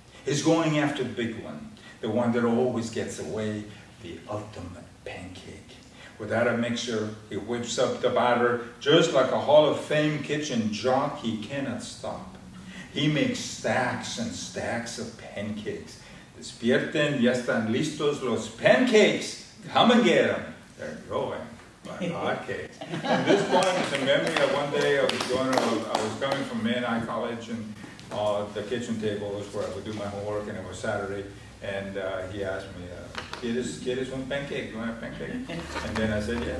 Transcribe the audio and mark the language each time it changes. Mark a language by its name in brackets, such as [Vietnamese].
[English] He's going after the big one, the one that always gets away, the ultimate pancake. Without a mixer, he whips up the batter, just like a Hall of Fame kitchen jock, he cannot stop. He makes stacks and stacks of pancakes. [Spanish] Despierten, ya están listos los pancakes. [English] Come and get them. They're growing like hotcakes. And this poem is a memory of one day I was coming from Menai College, and the kitchen table is where I would do my homework, and it was Saturday. And he asked me, [Spanish] ¿Quieres un pancake? [English] Do you want a pancake? And then I said, yeah.